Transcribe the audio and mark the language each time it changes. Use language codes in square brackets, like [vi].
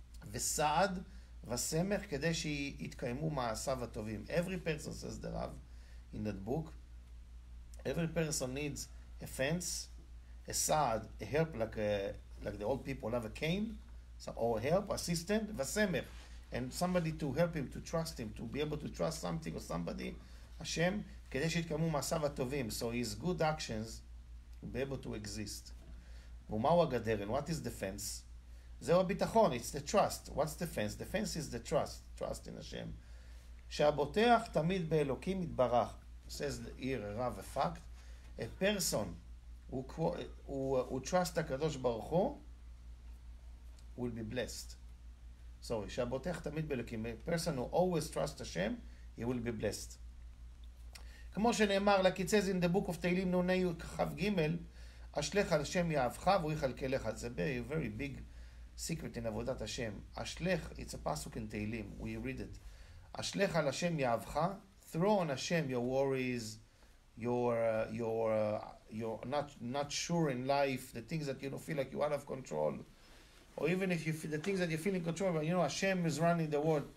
[he] וסעד וסמך כדי שיתקיימו מעשיו הטובים. [en] Every person says the Rav in that book. Every person needs a fence, a sad, a help like the old people have a cane, or help, assistant, וסמך. And somebody to help him, to trust him, to be able to trust something or somebody, Hashem, [he] כדי שיתקיימו מעשיו הטובים. [en] So his good actions will be able to exist. [he] ומהו הגדר? [en] And what is the fence? [he] זהו הביטחון, [en] it's the trust. What's the fence? The fence is the trust. Trust in Hashem. [he] שהבוטח תמיד באלוקים יתברך. [en] Says here, Rav, a fact. A person who trusts הקדוש ברוך הוא will be blessed. [he] Sorry, שהבוטח תמיד באלוקים. [en] A person who always trusts Hashem, he will be blessed. [he] כמו שנאמר, [en] like it says in the book of [he] תהילים נוני כחב גימל, אשלך על השם יאהבך ויחלקה לך. [en] It's a very, very big secret in Avodat Hashem. Ashlech, it's a pasuk in Tehillim. We read it. [he] Ashlech al Hashem yavcha. [en] Throw on Hashem your worries, your not sure in life, the things that you don't feel like you out of control, or even if you feel the things that you feel in control, but you know Hashem is running the world.